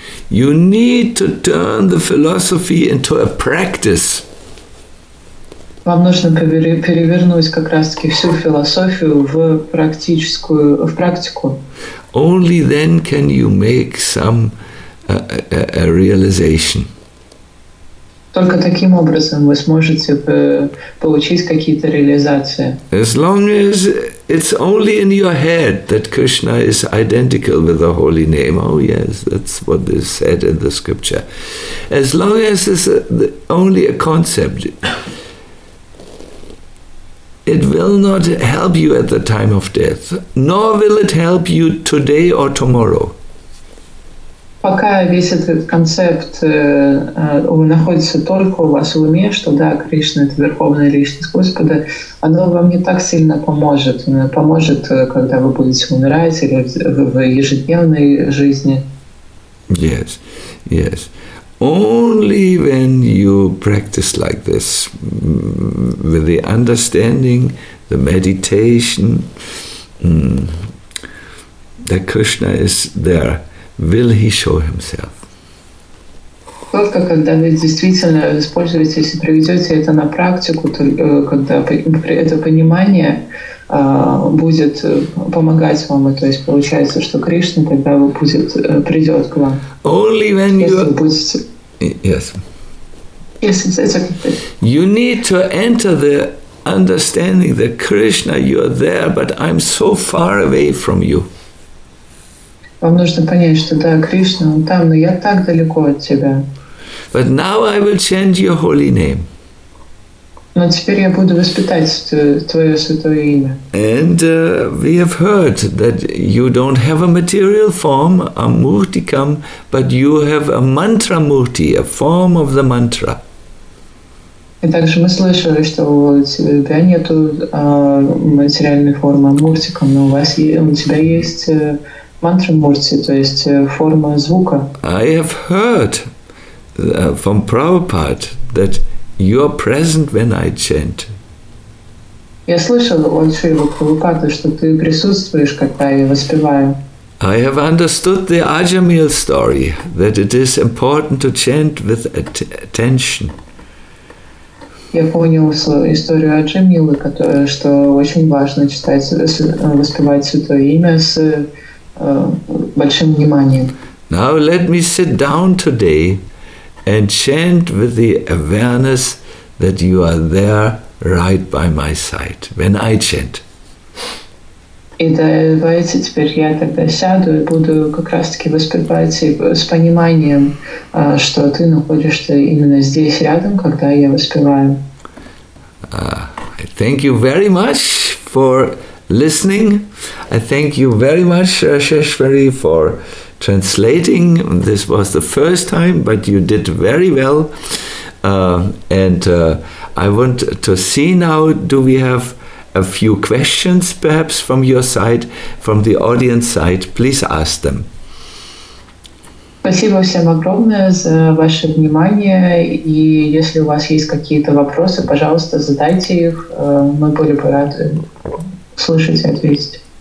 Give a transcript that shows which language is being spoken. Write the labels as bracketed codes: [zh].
[en] You need to turn the philosophy into a practice. [ru] Вам нужно перевернуть как раз-таки всю философию в практику. [en] Only then can you make some a realization. [ru] Только таким образом вы сможете получить какие-то реализации. [en] As long as it's only in your head that Krishna is identical with the holy name. Oh yes, that's what is said in the scripture. As long as it's only a concept, it will not help you at the time of death, nor will it help you today or tomorrow. [ru] пока весь этот концепт находится только у вас в уме, что да, Кришна — это Верховная Личность Господа, оно вам не так сильно поможет. Поможет, когда вы будете умирать или в ежедневной жизни. [en] Yes, yes. Only when you practice like this, with the understanding, the meditation, that Krishna is there, will he show himself. [ru] Только когда вы действительно используете и приведете это на практику, когда это понимание будет помогать вам, то есть получается, что Кришна тогда будет придет к вам. [en] Only when you [ru] будете. [en] Yes. Yes, it's okay. You need to enter the understanding that Krishna, you are there, but I'm so far away from you. [ru] Вам нужно понять, что да, Кришна, он там, но я так далеко от тебя. [en] But now I will chant your holy name. [ru] Но теперь я буду воспитать твое святое имя. [en] And we have heard that you don't have a material form, a murtikam, but you have a mantra murti, a form of the mantra. [ru] И также мы слышали, что у тебя нет материальной формы, а муртикам, но у тебя есть мантра мурти, то есть форма звука. [en] I have heard from Prabhupada that you are present when I chant. [ru] Я слышал от Шрилы Прабхупады, что ты присутствуешь, когда я воспеваю. [en] I have understood the Ajamil story, that it is important to chant with attention. [ru] Я понял историю Аджамилы, что очень важно воспевать Святое Имя с большим вниманием. [en] Now let me sit down today and chant with the awareness that you are there right by my side when I chant. [ru] И давайте теперь я тогда сяду и буду как раз-таки воспевать с пониманием, что ты находишься именно здесь рядом, когда я воспеваю. [en] I thank you very much for listening. I thank you very much, Sheshwari, for translating. This was the first time, but you did very well. I want to see now, do we have a few questions perhaps from your side, from the audience side? Please ask them. [ru] Спасибо всем огромное за ваше внимание. И если у вас есть какие-то вопросы, пожалуйста, задайте их. Мы были бы рады слушать и ответить.